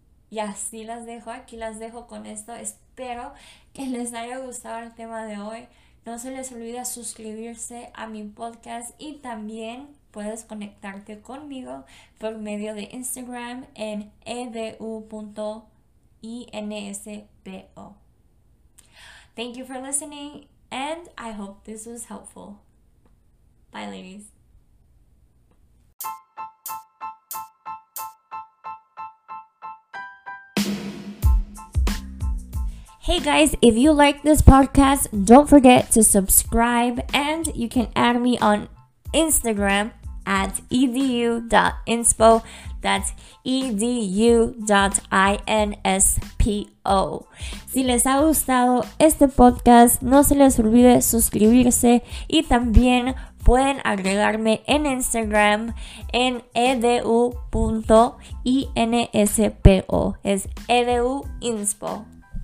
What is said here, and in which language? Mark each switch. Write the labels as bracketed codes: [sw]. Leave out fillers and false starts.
[es] Y así las dejo, aquí las dejo con esto. Espero que les haya gustado el tema de hoy. No se les olvide suscribirse a mi podcast y también puedes conectarte conmigo por medio de Instagram en edu.inspo. [en] Thank you for listening, and I hope this was helpful. Bye, ladies. Hey guys, if you like this podcast, don't forget to subscribe, and you can add me on Instagram at edu.inspo. That's edu.inspo. [es] Si les ha gustado este podcast, no se les olvide suscribirse y también pueden agregarme en Instagram en edu.inspo. Es edu.inspo.